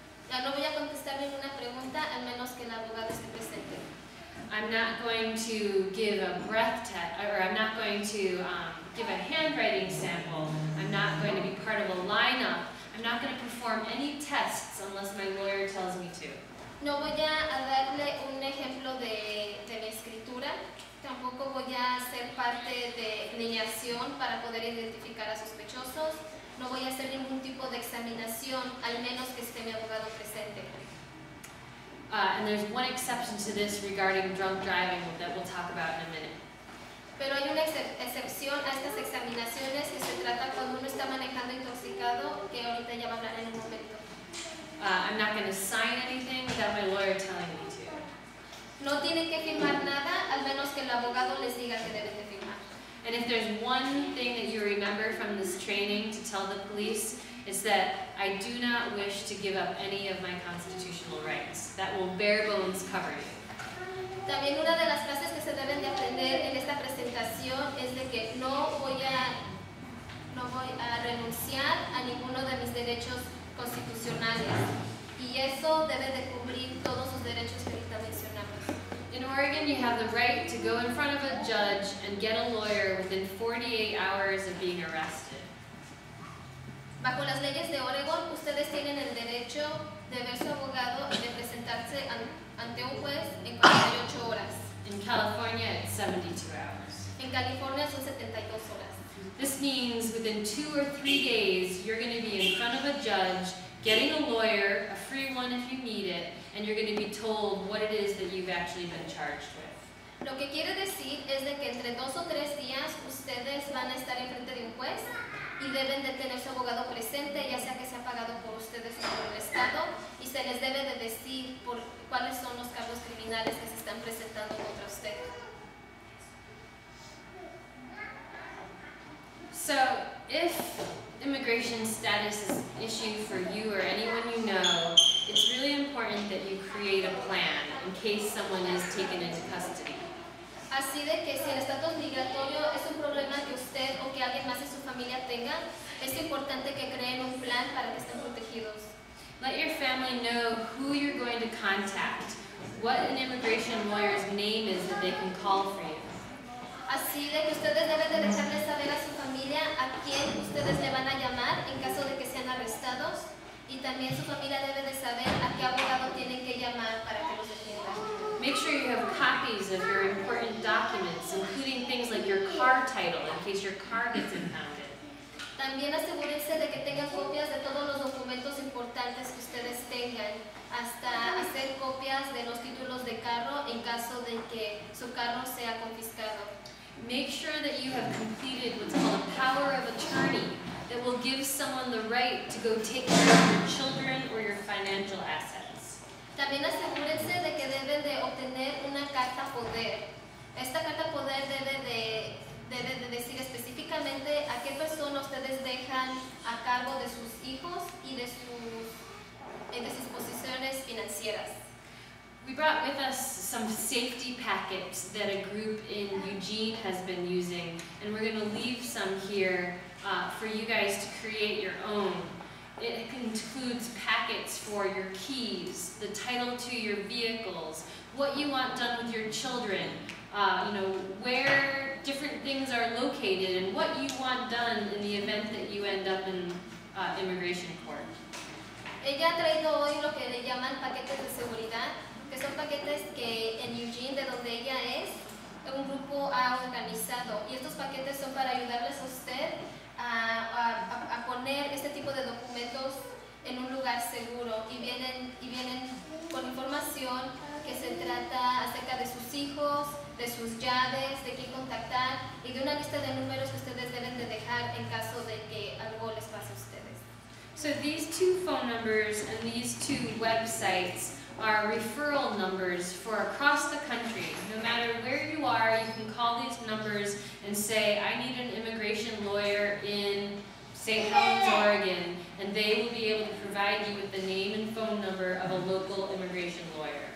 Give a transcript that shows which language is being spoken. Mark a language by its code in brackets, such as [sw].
[es] Ya no voy a contestar ninguna pregunta al menos que el abogado esté presente. [en] I'm not going to give a breath test, or I'm not going to give a handwriting sample. I'm not going to be part of a lineup. I'm not going to perform any tests unless my lawyer tells me to. [es] No voy a darle un ejemplo de mi escritura. Tampoco voy a ser parte de lineación para poder identificar a sospechosos. No voy a hacer ningún tipo de examinación al menos que esté mi abogado presente. [en] And there's one exception to this regarding drunk driving that we'll talk about in a minute. [es] Pero hay una excepción a estas examinaciones que se trata cuando uno está manejando intoxicado, que ahorita ya va a hablar en un momento. [en] I'm not going to sign anything without my lawyer telling me to. [es] No tienen que firmar nada, al menos que el abogado les diga que deben de firmar. [en] And if there's one thing that you remember from this training to tell the police, is that I do not wish to give up any of my constitutional rights. That will bare bones cover you. [es] También una de las clases que se deben de aprender en esta presentación es de que no voy a renunciar a ninguno de mis derechos constitucionales. Y eso debe de cubrir todos los derechos que ahorita mencionamos. [en] In Oregon, you have the right to go in front of a judge and get a lawyer within 48 hours of being arrested. [es] Bajo las leyes de Oregon, ustedes tienen el derecho de ver su abogado y de presentarse ante un juez en 48 horas. [en] In California, it's 72 hours. [es] En California, son 72 horas. [en] This means within 2 or 3 days, you're going to be in front of a judge, getting a lawyer, a free one if you need it, and you're going to be told what it is that you've actually been charged with. [es] Lo que quiere decir es de que entre 2 o 3 días, ustedes van a estar en frente de un juez, y deben de tener su abogado presente, ya sea que sea pagado por ustedes o por el Estado, y se les debe de decir por cuáles son los cargos criminales que se están presentando contra usted. [en] So, if immigration status is an issue for you or anyone you know, it's really important that you create a plan in case someone is taken into custody. [es] Así de que si el estatus migratorio es un problema que usted o que alguien más de su familia tenga, es importante que creen un plan para que estén protegidos. [en] Let your family know who you're going to contact, what an immigration lawyer's name is that they can call for you. [es] Así de que ustedes deben de dejarle saber a su familia a quién ustedes le van a llamar en caso de que sean arrestados, y también su familia debe de saber a qué abogado tienen que llamar para que los defienda. [en] Make sure you have copies of your important documents, including things like your car title, in case your car gets impounded. [es] También asegúrense de que tengan copias de todos los documentos importantes que ustedes tengan, hasta hacer copias de los títulos de carro en caso de que su carro sea confiscado. [en] Make sure that you have completed what's called a power of attorney that will give someone the right to go take care of your children or your financial assets. [es] También asegúrense de que deben de obtener una carta poder. Esta carta poder debe de decir específicamente a qué persona ustedes dejan a cargo de sus hijos y de sus posiciones financieras. [en] We brought with us some safety packets that a group in Eugene has been using, and we're going to leave some here for you guys to create your own. It includes packets for your keys, the title to your vehicles, what you want done with your children, you know, where different things are located, and what you want done in the event that you end up in immigration court. [es] Ella ha traído hoy lo que le llaman paquetes de seguridad, que son paquetes que en Eugene, de donde ella es, un grupo ha organizado. Y estos paquetes son para ayudarles a usted a poner este tipo de documentos en un lugar seguro. Y vienen con información que se trata acerca de sus hijos, de sus llaves, de quién contactar, y de una lista de números que ustedes deben de dejar en caso de que algo les pase a ustedes. [en] So these two phone numbers and these two websites are referral numbers for across the country. No matter where you are, you can call these numbers and say, I need an immigration lawyer in St. Helens, Oregon, and they will be able to provide you with the name and phone number of a local immigration lawyer.